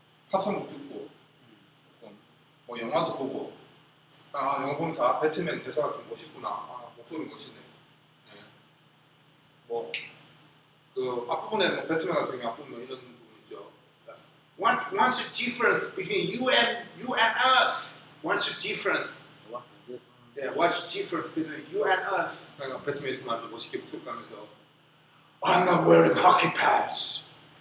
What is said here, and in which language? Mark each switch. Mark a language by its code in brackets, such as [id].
[ko] 합성도 듣고 뭐 영화도 보고 아 영화 보면서 아 배트맨 대사가 좀 멋있구나 아 목소리 멋있네 네. 뭐 그 앞부분에 뭐 배트맨 같은 경우 앞부분 이런 부분이죠. [en] What's the difference between you and us? What's the difference? Yeah, what's the difference between you and us? [ko] 그러니까 배트맨이 좀 아주 멋있게 목소리하면서 [en] I'm not wearing hockey pads.